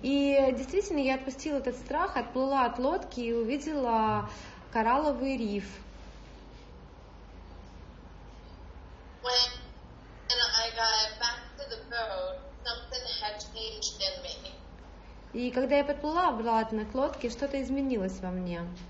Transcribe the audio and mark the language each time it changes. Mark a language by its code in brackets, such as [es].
[ru] И действительно, я отпустила этот страх, отплыла от лодки и увидела коралловый риф. [en] When I got back to the boat, something had changed in me. [ru] И когда я подплыла обратно к лодке, что-то изменилось во мне.